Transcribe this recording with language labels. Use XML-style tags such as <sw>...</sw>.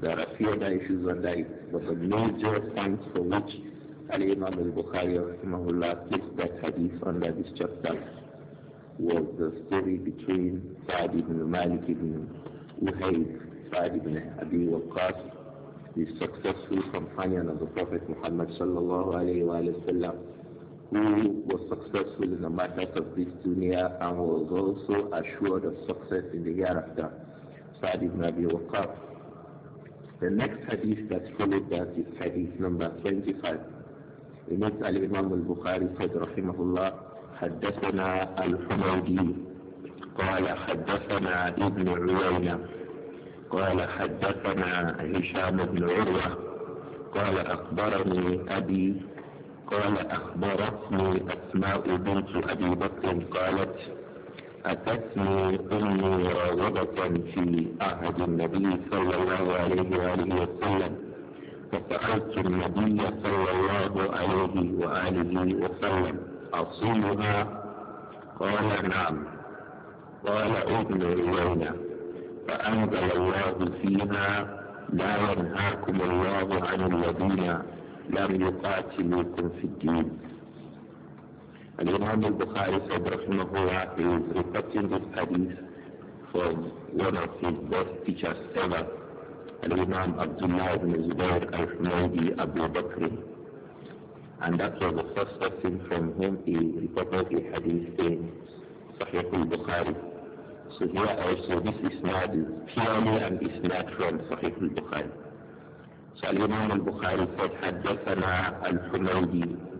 <en>There are a few other issues under it, but the major points for which Al-Imam al-Bukhari rahimahullah placed that hadith under this chapter was the story between Sa'd ibn Malik ibn Uhayb, Sa'd ibn Abi Waqqas, the successful companion of the Prophet Muhammad sallallahu alayhi wa sallam, who was successful in the matters of this dunya and was also assured of success in the hereafter, Sa'd ibn Abi Waqqas. The next hadith that followed that is hadith number 25. In it, Al-Imam al-Bukhari said, rahimahullah,</en> <ar>حدثنا الحميدي قال حدثنا ابن عيينة قال حدثنا هشام بن عروة قال أخبرني أبي قال أخبرتني أسماء بنت أبي بكر قالت أتتني أمي راغبة في عهد النبي صلى الله عليه وآله وسلم فسألت النبي صلى الله عليه وآله وسلم أصيلها؟ قال نعم. قال ابن عيينة فأنزل الله فيها لا ينهاكم الله عن الذين لم يقاتلوكم في الدين. الإمام البخاري صلى الله عليه وسلم</ar> <en>is reporting this hadith from one of his best teachers ever, الإمام عبد الله بن زبير الحميدي أبو بكر. And that was the first person from whom he reported a hadith in Sahih al-Bukhari. So here also, this isnad is purely an isnad from Sahih al-Bukhari. So Al-Imam al-Bukhari said,</en> <ar>حدثنا الحميدي.</ar>